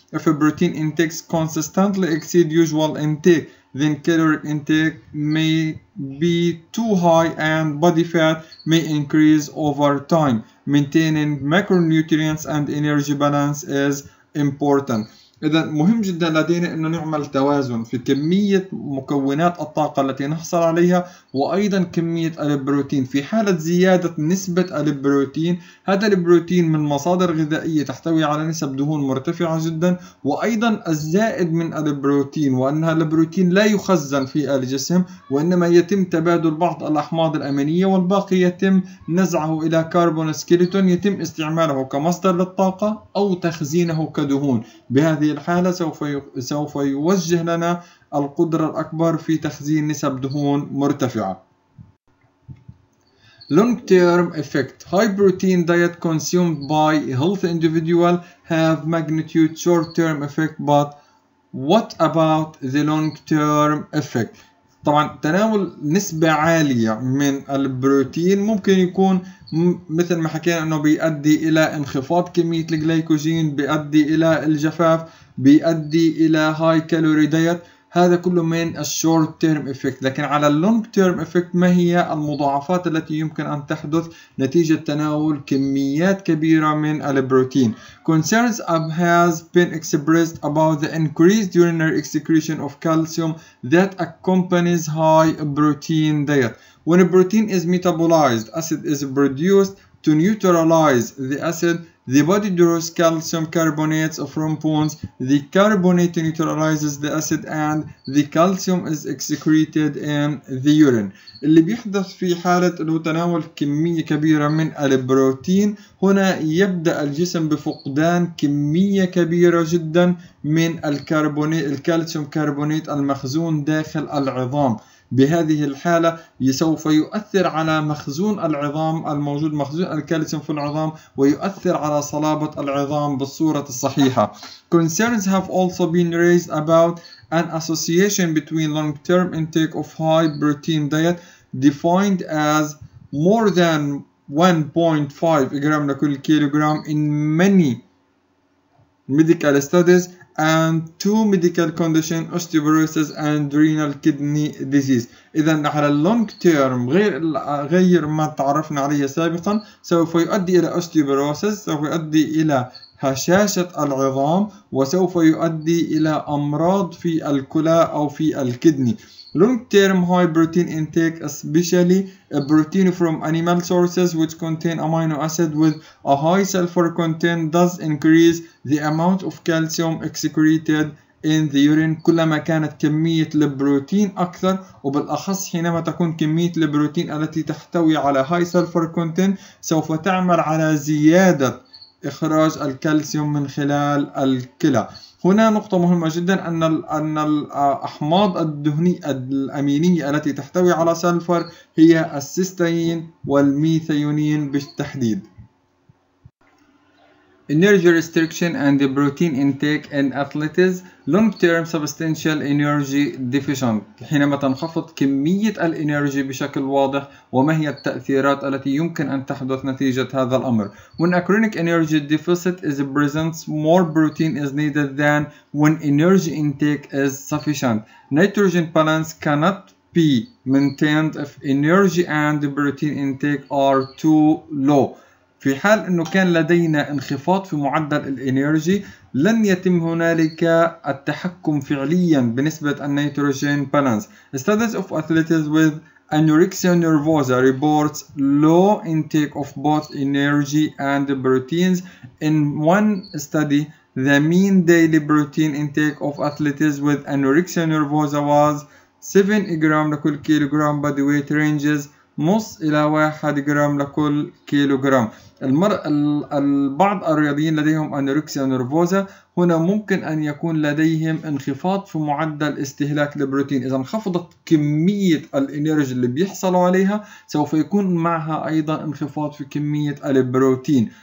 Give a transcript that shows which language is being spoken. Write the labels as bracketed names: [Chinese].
[English] If a protein intake consistently exceeds usual intake, then caloric intake may be too high and body fat may increase over time. Maintaining macronutrients and energy balance is important. [Arabic] إذا مهم جدا لدينا أنه نعمل توازن في كمية مكونات الطاقة التي نحصل عليها وأيضا كمية البروتين. في حالة زيادة نسبة البروتين، هذا البروتين من مصادر غذائية تحتوي على نسب دهون مرتفعة جدا، وأيضا الزائد من البروتين وأن البروتين لا يخزن في الجسم، وإنما يتم تبادل بعض الأحماض الأمينية والباقي يتم نزعه إلى كاربون سكيلتون، يتم استعماله كمصدر للطاقة أو تخزينه كدهون. بهذا هذه الحالة سوف يوجه لنا القدرة الأكبر في تخزين نسب دهون مرتفعة. [English] Long term effect. High protein diet consumed by healthy individual have magnitude short term effect, but what about the long term effect? [Arabic] طبعا تناول نسبة عالية من البروتين ممكن يكون مثل ما حكينا أنه بيؤدي إلى انخفاض كمية الجليكوجين، بيؤدي إلى الجفاف، بيؤدي إلى هاي كالوري دايت، هذا كله من الشورت تيرم إفكت. لكن على اللونج تيرم إفكت، ما هي المضاعفات التي يمكن أن تحدث نتيجة تناول كميات كبيرة من البروتين؟ [English] Concerns has been expressed about the increased urinary excretion of calcium that accompanies high protein diet. When a protein is metabolized, acid is produced to neutralize the acid. The body draws calcium carbonates from bones. The carbonate neutralizes the acid and the calcium is excreted in the urine. [Arabic] اللي بيحدث في حالة انه تناول كمية كبيرة من البروتين، هنا يبدأ الجسم بفقدان كمية كبيرة جدا من الكالسيوم كربونات المخزون داخل العظام. بهذه الحالة سوف يؤثر على مخزون العظام الموجود، مخزون الكالسيوم في العظام، ويؤثر على صلابة العظام بالصورة الصحيحة. [English] Concerns have also been raised about an association between long-term intake of high protein diet defined as more than 1.5 gram [Arabic] لكل كيلوغرام [English] in many medical studies and two medical conditions, osteoporosis and renal kidney disease. [Arabic] إذن على long term غير ما تعرفنا عليه سابقا سوف يؤدي إلى osteoporosis، سوف يؤدي إلى هشاشة العظام وسوف يؤدي إلى أمراض في الكلى أو في الكدني. [English] Long term high protein intake, especially a protein from animal sources which contain amino acid with a high sulfur content, does increase the amount of calcium excreted in the urine. [Arabic] كلما كانت كمية البروتين أكثر وبالأخص حينما تكون كمية البروتين التي تحتوي على [English] high sulfur content [Arabic] سوف تعمل على زيادة إخراج الكالسيوم من خلال الكلى. هنا نقطة مهمة جدا أن الأحماض الدهنية الأمينية التي تحتوي على سلفر هي السيستين والميثيونين بالتحديد. [English] Energy restriction and the protein intake in athletes long-term substantial energy deficient. [Arabic] حينما تنخفض كمية الانرجي بشكل واضح وما هي التأثيرات التي يمكن أن تحدث نتيجة هذا الأمر. [English] When a chronic energy deficit is present, more protein is needed than when energy intake is sufficient. Nitrogen balance cannot be maintained if energy and the protein intake are too low. [Arabic] في حال أنه كان لدينا انخفاض في معدل الانيرجي لن يتم هنالك التحكم فعليا بنسبة النيتروجين بالانس. [English] Studies of athletes with anorexia nervosa reports low intake of both energy and proteins. In one study, the mean daily protein intake of athletes with anorexia nervosa was 7 gram [Arabic] لكل كيلوغرام [English] body weight ranges [Arabic] نص إلى 1 جرام لكل كيلوغرام. البعض الرياضيين لديهم أنوركسيا نيرفوزا هنا ممكن أن يكون لديهم انخفاض في معدل استهلاك البروتين. إذا انخفضت كمية الإنيرجي اللي بيحصلوا عليها سوف يكون معها أيضا انخفاض في كمية البروتين.